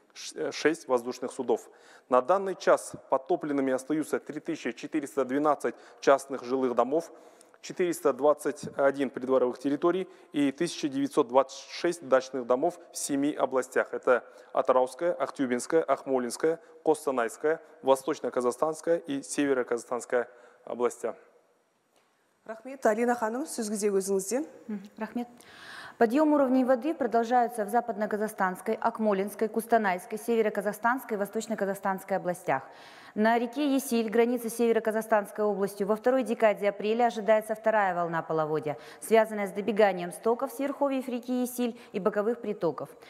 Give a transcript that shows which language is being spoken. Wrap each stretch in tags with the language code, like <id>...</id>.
<ru>6 воздушных судов. На данный час подтопленными остаются 3412 частных жилых домов, 421 придворовых территорий и 1926 дачных домов в 7 областях. Это Атырауская, Ахтюбинская, Ахмолинская, Костанайская, Восточно-Казахстанская и Северо-Казахстанская области.</ru> <kk>Рахмет, Алина ханым, сөз кезегі өзіңізде. Рахмет.</kk> <ru>Подъем уровней воды продолжаются в Западно-Казахстанской, Акмолинской, Кустанайской, Северо-Казахстанской и Восточно-Казахстанской областях. На реке Есиль, границе Северо-Казахстанской областью, во второй декаде апреля ожидается вторая волна половодья, связанная с добеганием стоков с верховьев реки Есиль и боковых притоков.</ru>